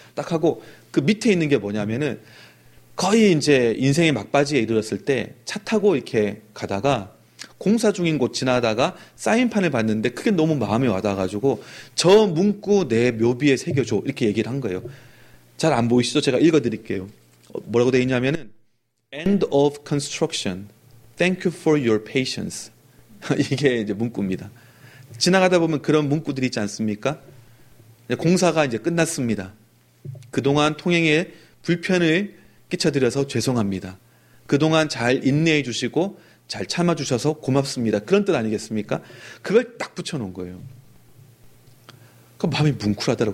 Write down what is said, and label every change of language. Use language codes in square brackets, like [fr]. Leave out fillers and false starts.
[ko] 딱 하고 그 밑에 있는 게 뭐냐면은 거의 이제 인생의 막바지에 이르렀을 때 차 타고 이렇게 가다가 공사 중인 곳 지나다가 사인판을 봤는데 그게 너무 마음에 와닿아가지고 저 문구 내 묘비에 새겨줘 이렇게 얘기를 한 거예요. 잘 안 보이시죠? 제가 읽어드릴게요. 뭐라고 돼 있냐면은 [en] end of construction, thank you for your patience. [ko] 이게 이제 문구입니다. 지나가다 보면 그런 문구들이 있지 않습니까? 공사가 이제 끝났습니다. 그동안 통행에 불편을 끼쳐드려서 죄송합니다. 그동안 잘 인내해 주시고 잘 참아주셔서 고맙습니다. 그런 뜻 아니겠습니까? 그걸 딱 붙여놓은 거예요. 그 마음이 뭉클하더라고요.